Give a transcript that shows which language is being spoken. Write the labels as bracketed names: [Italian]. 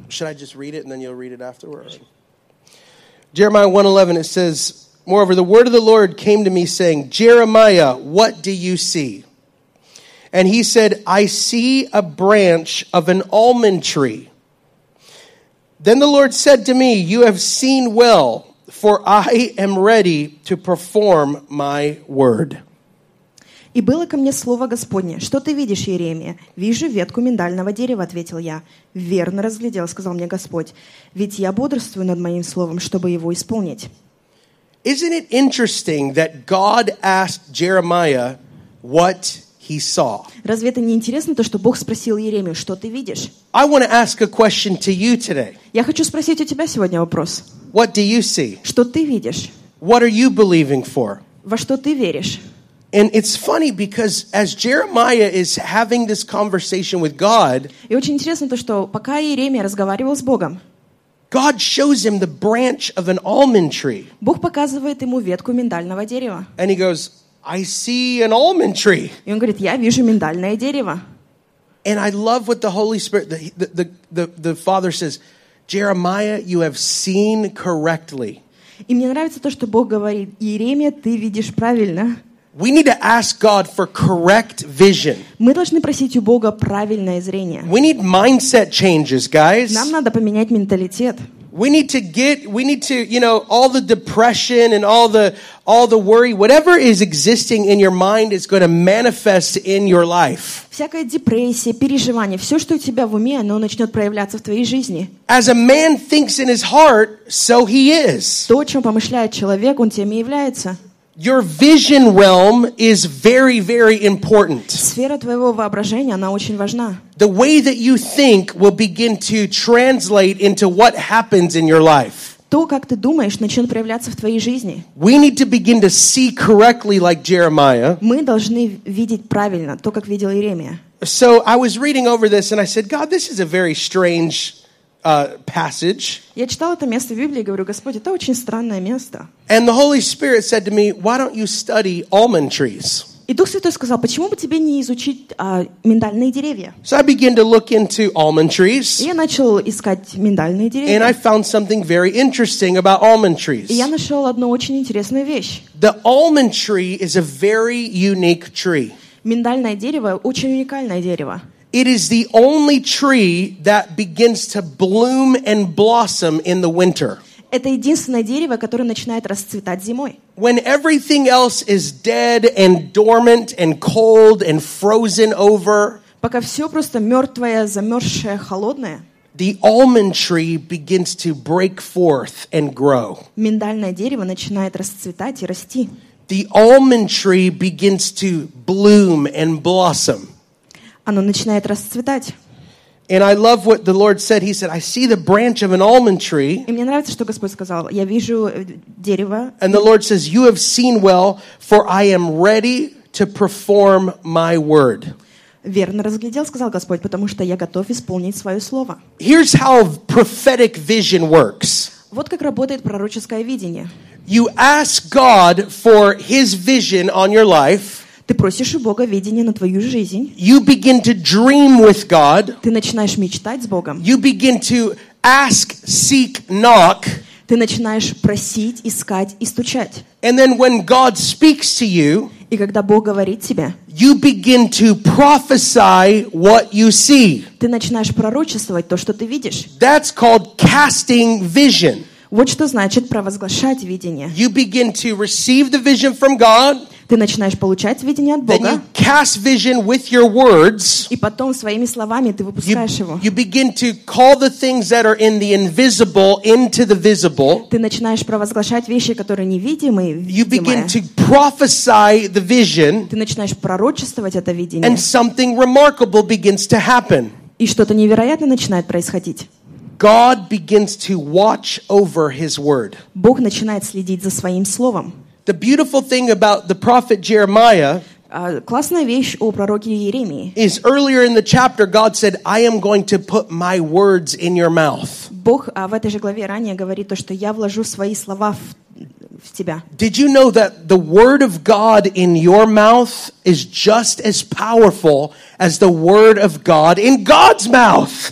[English] Should I just read it and then you'll read it afterwards? Jeremiah 1:11, it says, Moreover, the word of the Lord came to me saying, Jeremiah, what do you see? And he said, I see a branch of an almond tree. Then the Lord said to me, You have seen well, for I am ready to perform my word. [Russian] И было ко мне слово Господне. Что ты видишь, Иеремия? Вижу ветку миндального дерева, ответил я. Верно разглядел, сказал мне Господь. Ведь я бодрствую над моим словом, чтобы его исполнить. Разве это не интересно, то, что Бог спросил Иеремию, что ты видишь? [English] I want to ask a question to you today. [Russian] Я хочу спросить у тебя сегодня вопрос. [English] What do you see? [Russian] Что ты видишь? [English] What are you believing for? [Russian] Во что ты веришь? [English] And it's funny because as Jeremiah is having this conversation with God, [Russian] и очень интересно то, что пока Иеремия разговаривал с Богом, [English] God shows him the branch of an almond tree. [Russian] Бог показывает ему ветку миндального дерева. [English] And he goes, I see an almond tree. [Russian] И он говорит, я вижу миндальное дерево. [English] And I love what the Holy Spirit, the Father says, Jeremiah, you have seen correctly. [Russian] И мне нравится то, что Бог говорит, Иеремия, ты видишь правильно. [English] We need to ask God for correct vision. [Russian] Мы должны просить у Бога правильное зрение. [English] We need mindset changes, guys. [Russian] Нам надо поменять менталитет. [English] We need to, you know, all the depression and all the worry, whatever is existing in your mind is going to manifest in your life. [Russian] Всякая депрессия, переживания, все, что у тебя в уме, оно начнет проявляться в твоей жизни. [English] As a man thinks in his heart, so he is. [Russian] То, о чем помышляет человек, он тем и является. [English] Your vision realm is very, very important. [Russian] Сфера твоего воображения, она очень важна. [English] The way that you think will begin to translate into what happens in your life. [Russian] То, как ты думаешь, начнет проявляться в твоей жизни. [English] We need to begin to see correctly like Jeremiah. [Russian] Мы должны видеть правильно, то, как видел Иеремия. [English] So I was reading over this and I said, God, this is a very strange passage. [Russian] Я читал это место в Библии и говорю, Господь, это очень странное место. [English] And the Holy Spirit said to me, why don't you study almond trees? [Russian] И Дух Святой сказал, почему бы тебе не изучить миндальные деревья? [English] So I began to look into almond trees. [Russian] И я начал искать миндальные деревья. [English] And I found something very interesting about almond trees. [Russian] И я нашел одну очень интересную вещь. [English] The almond tree is a very unique tree. [Russian] Миндальное дерево очень уникальное дерево. [English] It is the only tree that begins to bloom and blossom in the winter. [Russian] Это единственное дерево, которое начинает расцветать зимой. [English] When everything else is dead and dormant and cold and frozen over. [Russian] Пока все просто мертвое, замерзшее, холодное. [English] The almond tree begins to break forth and grow. [Russian] Миндальное дерево начинает расцветать и расти. [English] The almond tree begins to bloom and blossom. [Russian] Оно начинает расцветать. [English] And I love what the Lord said. He said, I see the branch of an almond tree. [Russian] И мне нравится, что Господь сказал. Я вижу дерево. [English] And the Lord says, you have seen well, for I am ready to perform my word. [Russian] Верно разглядел, сказал Господь, потому что я готов исполнить свое слово. [English] Here's how prophetic vision works. [Russian] Вот как работает пророческое видение. [English] You ask God for his vision on your life. [Russian] Ты просишь у Бога видение на твою жизнь. [English] You begin to dream with God. [Russian] Ты начинаешь мечтать с Богом. [English] You begin to ask, seek, knock. [Russian] Ты начинаешь просить, искать и стучать. [English] And then when God speaks to you, [Russian] И когда Бог говорит тебе, [English] you begin to prophesy what you see. [Russian] Ты начинаешь пророчествовать то, что ты видишь. [English] That's called casting vision. [Russian] Вот что значит провозглашать видение. [English] You begin to receive the vision from God. [Russian] Ты начинаешь получать видение от Бога. [English] Then you cast vision with your words. [Russian] И потом своими словами ты выпускаешь его. [English] You begin to call the things that are in the invisible into the visible. [Russian] Ты начинаешь провозглашать вещи, которые невидимы, в видимое. [English] You begin to prophesy the vision. [Russian] Ты начинаешь пророчествовать это видение. [English] And something remarkable begins to happen. [Russian] И что-то невероятное начинает происходить. [English] God begins to watch over his word. [Russian] Бог начинает следить за своим словом. [English] The beautiful thing about the prophet Jeremiah, [Russian] классная вещь о пророке Иеремии, [English] is earlier in the chapter God said, I am going to put my words in your mouth. [Russian] Бог в этой же главе ранее говорит то, что я вложу свои слова в тебя. [English] Did you know that the word of God in your mouth is just as powerful as the word of God in God's mouth?